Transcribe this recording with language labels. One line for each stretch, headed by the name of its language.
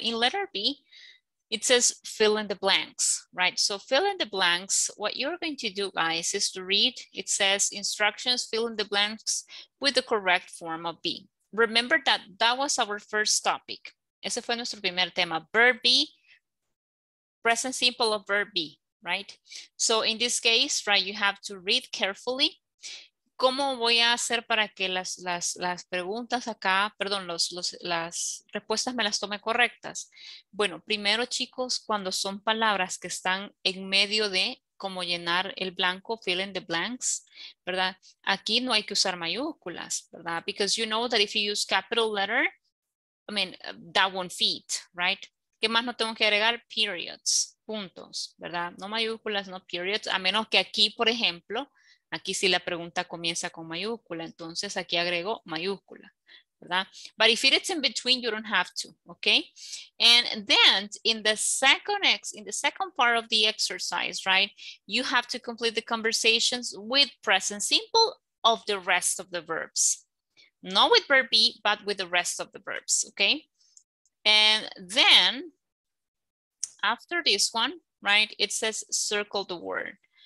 English: In letter B, it says fill in the blanks, right? So, fill in the blanks. What you're going to do, guys, is to read. It says instructions, fill in the blanks with the correct form of B. Remember that that was our first topic.
Spanish: Ese fue nuestro primer tema,
English: verb be, present simple of verb be, right? So in this case, right, you have to read carefully.
Spanish: ¿Cómo voy a hacer para que las preguntas acá, perdón, las respuestas me las tome correctas? Bueno, primero chicos, cuando son palabras que están en medio de como llenar el blanco,
English: fill in the blanks,
Spanish: ¿verdad? Aquí no hay que usar mayúsculas, ¿verdad?
English: Because you know that if you use capital letter, I mean, that won't fit, right?
Spanish: ¿Qué más no tengo que agregar? Periods, puntos, ¿verdad? No mayúsculas, no periods, a menos que aquí, por ejemplo, aquí sí la pregunta comienza con mayúscula, entonces aquí agrego mayúscula, ¿verdad?
English: But if it's in between, you don't have to, okay? And then in the second part of the exercise, right, you have to complete the conversations with present simple of the rest of the verbs. Not with verb be, but with the rest of the verbs, okay? And then after this one, right, it says circle the word.